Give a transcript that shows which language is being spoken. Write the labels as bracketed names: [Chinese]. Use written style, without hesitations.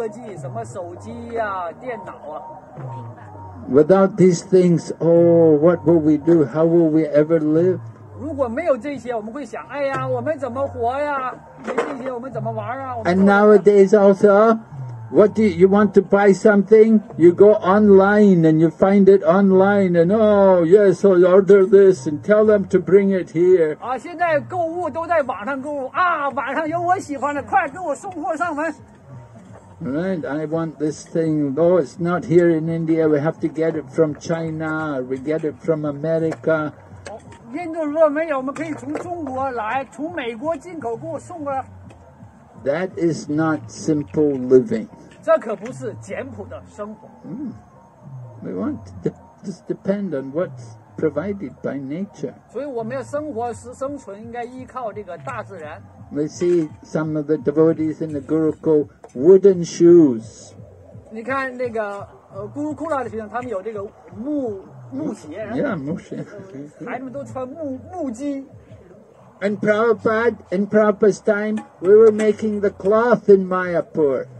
[Chinese] 我们现在过度的依靠这种高科技，什么手机啊，电脑啊。 [English] Without these things, oh, what will we do? How will we ever live? [Chinese] 如果没有这些，我们会想，哎呀，我们怎么活呀？没这些，我们怎么玩啊？ [English] And nowadays also, what do you want to buy something? You go online and you find it online, and oh yes, I'll order this and tell them to bring it here. [Chinese] 啊，现在购物都在网上购物啊，网上有我喜欢的，快给我送货上门。 [English] Right, I want this thing. Oh, it's not here in India. We have to get it from China. We get it from America. [Chinese] Oh, 印度如果没有，我们可以从中国来，从美国进口给我送过来。 [English] That is not simple living. [Chinese] 这可不是简朴的生活。 [English] We want to just depend on what's provided by nature. [Chinese] 所以我们要生活时生存应该依靠这个大自然。 [English] We see some of the devotees in the Gurukul wooden shoes. [Chinese] 你看那个Gurukula的学生，他们有这个木鞋。Yeah, 木鞋。孩子们都穿木屐。 [English] And Prabhupada's time, we were making the cloth in Mayapur.